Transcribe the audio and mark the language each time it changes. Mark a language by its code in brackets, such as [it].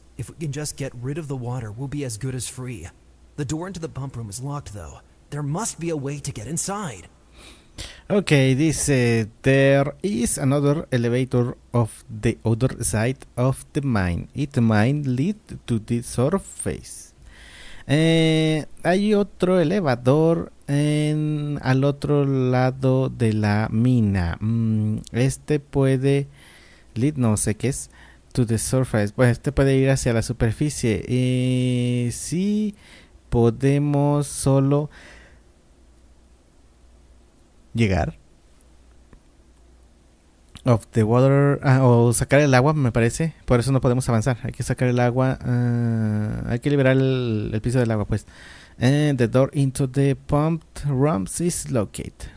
[en] If we can just get rid of the water, we'll be as good as free. The door into the pump room is locked, though. There must be a way to get inside. Okay, dice, there is another elevator off the other side of the mine. It might lead to the surface. [es] Hay otro elevador en al otro lado de la mina. Este puede lead, no sé qué es. [en] To the surface. [es] Pues este puede ir hacia la superficie. Sí, podemos solo llegar. [en] Of the water. [es] O sacar el agua, me parece. Por eso no podemos avanzar. Hay que sacar el agua. Hay que liberar el piso del agua, pues. [en] And the door into the pumped rooms is located.